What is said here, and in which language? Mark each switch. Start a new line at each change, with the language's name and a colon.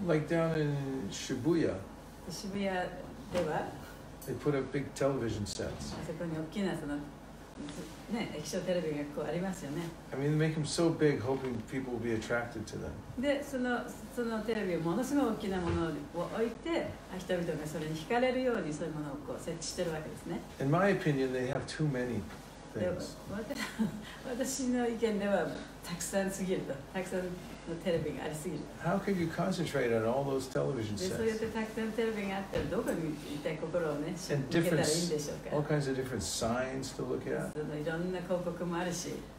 English: Like down in Shibuya.
Japanese: 渋谷では。
English: They put up big television sets.
Japanese: そこに大きなそのね、液晶テレビがこうありますよね。
English: I mean, they make them so big, hoping people will be attracted to them.
Japanese: で、そのテレビをものすごい大きなものを置いて、人々がそれに惹かれるようにそういうものをこう設置してるわけですね。
English: In my opinion, they have too many things.
Japanese: で、私の意見ではたくさんすぎると、たくさんのテレビがありすぎると。
English: How can you concentrate on all those television sets?
Japanese: で、そうやってたくさんテレビがあったらどこに一体心をね、向けたらいいんでしょうか。
English: All kinds of different signs to look at.
Japanese: いろんな広告もあるし。